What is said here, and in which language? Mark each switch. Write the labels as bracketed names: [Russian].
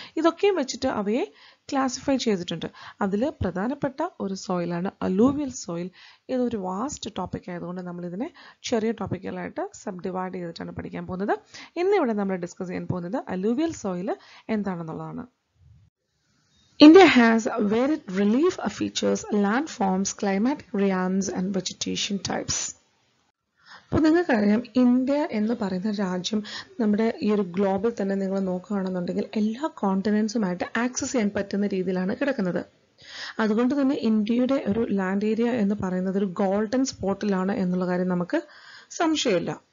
[Malayalam] ഇതൊക്കെയും വെച്ചിട്ട് അവയെ ക്ലാസിഫൈ ചെയ്തിട്ടുണ്ട്. അതിൽ പ്രധാനപ്പെട്ട ഒരു സോയിലാണ് അലൂവിയൽ സോയിൽ. ഇതൊരു വാസ്റ്റ് ടോപ്പിക് ആയതുകൊണ്ട് നമ്മളിതിനെ ചെറിയ ടോപ്പിക്കുകളായിട്ട് സബ് ഡിവൈഡ് ചെയ്തിട്ടാണ് പഠിക്കാൻ പോകുന്നത്. ഇന്നിവിടെ നമ്മൾ ഡിസ്കസ് ചെയ്യാൻ പോകുന്നത് alluvial soil എന്താണെന്നുള്ളതാണ്. [English] India has varied relief features, landforms, climatic rheons and vegetation types. [Malayalam] അപ്പോൾ നിങ്ങൾക്കറിയാം, ഇന്ത്യ എന്ന് പറയുന്ന രാജ്യം നമ്മുടെ ഈ ഒരു ഗ്ലോബൽ തന്നെ നിങ്ങൾ നോക്കുകയാണെന്നുണ്ടെങ്കിൽ എല്ലാ കോണ്ടിനെൻസുമായിട്ട് ആക്സസ് ചെയ്യാൻ പറ്റുന്ന രീതിയിലാണ് കിടക്കുന്നത്. അതുകൊണ്ട് തന്നെ ഇന്ത്യയുടെ ഒരു ലാൻഡ് ഏരിയ എന്ന് പറയുന്നത് ഒരു ഗോൾഡൻ സ്പോട്ടിലാണ് എന്നുള്ള കാര്യം നമുക്ക് സംശയമില്ല.